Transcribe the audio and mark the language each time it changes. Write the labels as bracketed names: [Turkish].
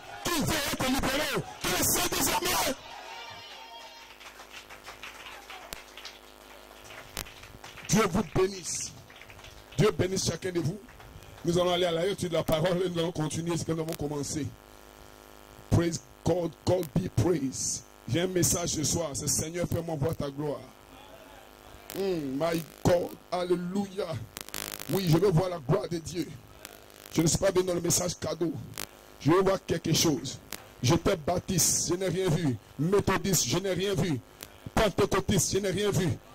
[French] Qui veut être libéré? Qui le sait désormais? Dieu vous bénisse. Dieu bénisse chacun de vous. Nous allons aller à la lecture de la parole et nous allons continuer ce que nous avons commencé. [English] Praise God, God be praised. [French] J'ai un message ce soir. C'est Seigneur, fais-moi voir ta gloire. [English] My God, [French] alléluia. Oui, je veux voir la gloire de Dieu. Je ne suis pas venu dans le message cadeau. Je veux voir quelque chose. J'étais baptiste, je n'ai rien vu. Méthodiste, je n'ai rien vu. Pentecôtiste, je n'ai rien vu.